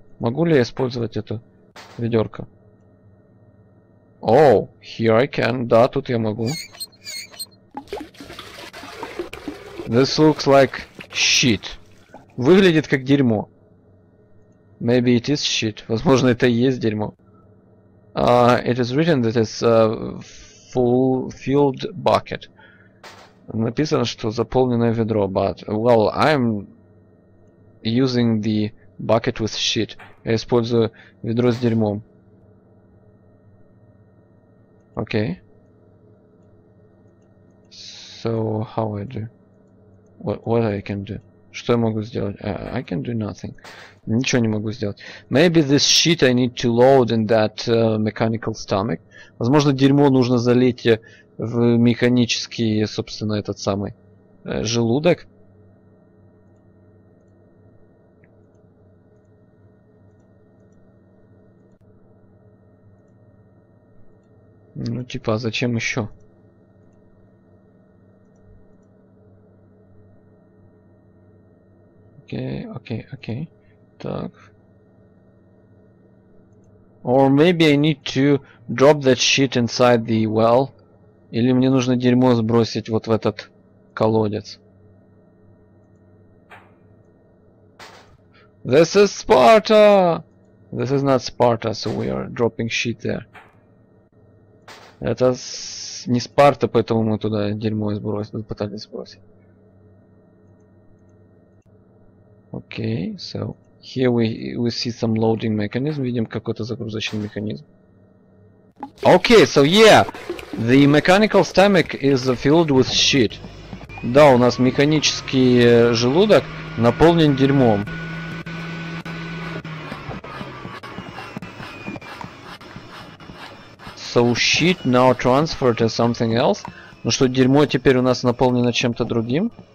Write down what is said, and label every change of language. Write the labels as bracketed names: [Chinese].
[Russian] Могу ли я использовать это ведерко? [English] Oh, here I can. [Russian] Да, тут я могу. [English] This looks like shit. [Russian] Выглядит как дерьмо. [English] Maybe it is shit. [Russian] Возможно, это и есть дерьмо. [English] It is written that it's a full filled bucket. [Russian] Написано, что заполненное ведро, [English] but... Well, I'm using the bucket with shit. [Russian] Я использую ведро с дерьмом. [English] Okay. So, how I do? What I can do? [Russian] Что я могу сделать? [English] I can do nothing. [Russian] Ничего не могу сделать. [English] Maybe this shit I need to load in that mechanical stomach. [Russian] Возможно, дерьмо нужно залить в механический, собственно, этот самый желудок. Ну, типа, а зачем еще? Окей. Так. [English] Or maybe I need to drop that shit inside the well. [Russian] Или мне нужно дерьмо сбросить вот в этот колодец. [English] This is Sparta! This is not Sparta, so we are dropping shit there. Это [Russian] не Спарта, поэтому мы туда дерьмо сбросили, пытались сбросить. [English] Окей, so here we see some loading mechanism. [Russian] Видим какой-то загрузочный механизм. [English] Окей, so yeah, the mechanical stomach is filled with shit. [Russian] Да, у нас механический желудок наполнен дерьмом. [English] So shit now transferred to something else. [Russian] Ну что, дерьмо теперь у нас наполнено чем-то другим?